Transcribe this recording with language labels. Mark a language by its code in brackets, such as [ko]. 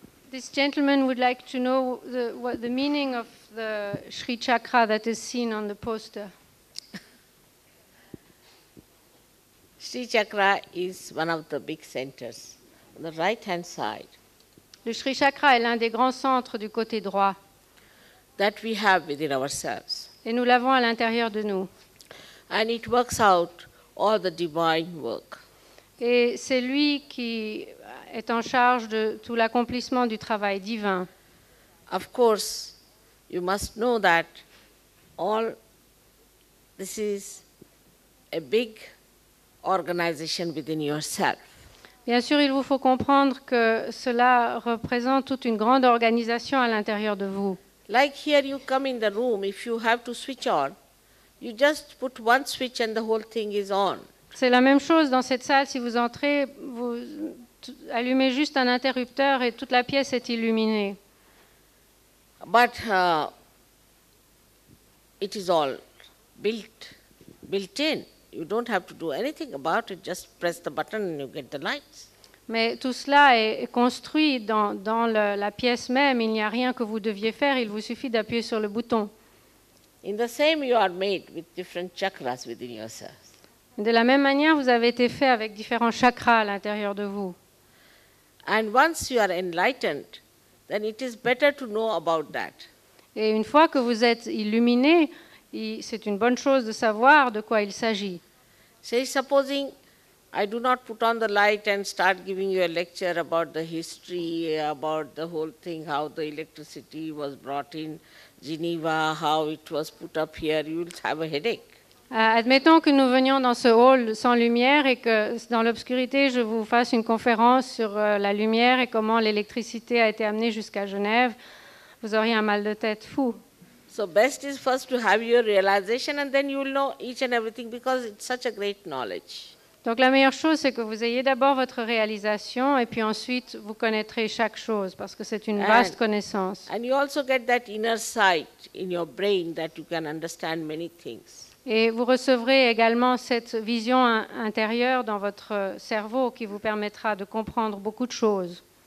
[en] This gentleman would like to know the meaning of the Sri Chakra that is seen on the poster. Sri Chakra is one of the big centers on the right hand side. [fr] Le Sri Chakra est l'un des grands centres du côté droit. [en] That we have within ourselves. [fr] Et nous l'avons à l'intérieur de nous. [en] And it works out all the divine work. [fr] Et c'est lui qui est en charge de tout l'accomplissement du travail divin. [en] Of course, you must know that all this is a big organization within yourself. [fr] Bien sûr, il vous faut comprendre que cela représente toute une grande organisation à l'intérieur de vous. [en] Like here you come in the room, if you have to switch on, you just put one switch and the whole thing is on. [fr] C'est la même chose dans cette salle, si vous entrez, vous allumez juste un interrupteur et toute la pièce est illuminée. [en] But it is all built in. You don't have to do anything about it, just press the button and you get the lights. [fr] Mais tout cela est construit dans la pièce même, il n'y a rien que vous deviez faire, il vous suffit d'appuyer sur le bouton. [en] In the same, you are made with different chakras within yourself. [fr] De la même manière, vous avez été fait avec différents chakras à l'intérieur de vous. [en] And once you are enlightened, then it is better to know about that. [fr] Et une fois que vous êtes illuminé, c'est une bonne chose de savoir de quoi il s'agit. [en] Say, supposing I do not put on the light and start giving you a lecture about the history, about the whole thing, how the electricity was brought in Geneva, how it was put up here, you will have a headache. [fr] Admettons que nous venions dans ce hall sans lumière et que dans l'obscurité je vous fasse une conférence sur la lumière et comment l'électricité a été amenée jusqu'à Genève, vous auriez un mal de tête fou. [en] So best is first to have your realization and then you will know each and everything because it's such a great knowledge. [fr] Donc la meilleure chose c'est que vous ayez d'abord votre réalisation et puis ensuite vous connaîtrez chaque chose parce que c'est une vaste connaissance. [en] And you also get that inner sight in your brain that you can understand many things. [fr] Et vous recevrez également cette vision intérieure dans votre cerveau qui vous permettra de comprendre beaucoup de choses.